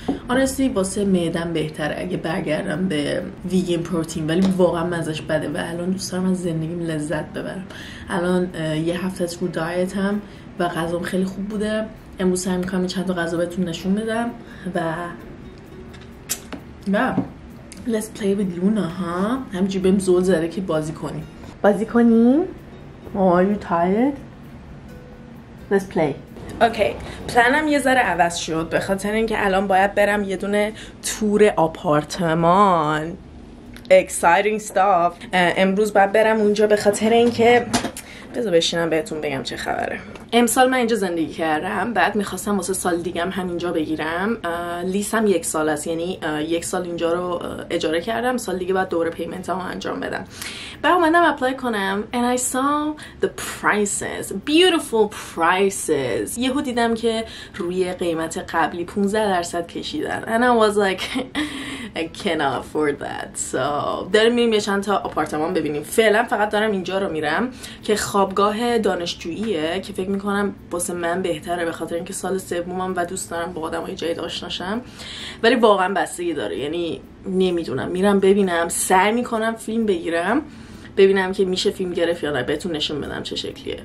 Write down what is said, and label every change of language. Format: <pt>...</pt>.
<fa>honestly واسه معده‌م بهتره اگه برگردم به ویگن پروتئین، ولی واقعا مزهش بده و الان دوست دارم از زندگیم لذت ببرم. الان یه هفته از رو دایتم و غذام خیلی خوب بوده. امروز سعی میکنم چند تا غذا بهتون نشون بدم و</fa> <en>Let's play with Luna, huh?</en> <fa>همینجوری بهم زود زده که بازی کنیم. بازی کنیم؟</fa> <en>Oh, are you tired? Let's play.</en> <fa>Okay, پلانم یه ذره عوض شد به خاطر اینکه الان باید برم یه دونه تور آپارتمان.</fa> <en>Exciting stuff.</en> <fa>امروز باید برم اونجا به خاطر اینکه بذار بشینم بهتون بگم چه خبره. امسال من اینجا زندگی کردم، بعد میخواستم واسه سال دیگم همینجا بگیرم. لیسم یک سال است، یعنی یک سال اینجا رو اجاره کردم، سال دیگه بعد دوره پیمنتمو انجام بدم. بعد اومدم اپلای کنم</fa> <en>and I saw the prices. Beautiful prices.</en> <fa>یهو دیدم که روی قیمت قبلی 15% کشیدن</fa> <en>and I was like I can't afford that.</en> <fa>So داریم میریم یه چند تا آپارتمان ببینیم. فعلا فقط دارم اینجا رو میرم که خوابگاه دانشجوییه که فکر میکنم واسه من بهتره به خاطر اینکه سال سومم و دوست دارم با آدم های جدید آشنا شم، ولی واقعا بستگی داره، یعنی نمیدونم. میرم ببینم، سعی میکنم فیلم بگیرم، ببینم که میشه فیلم گرفت یا نه، بهتون نشون بدم چه شکلیه.</fa>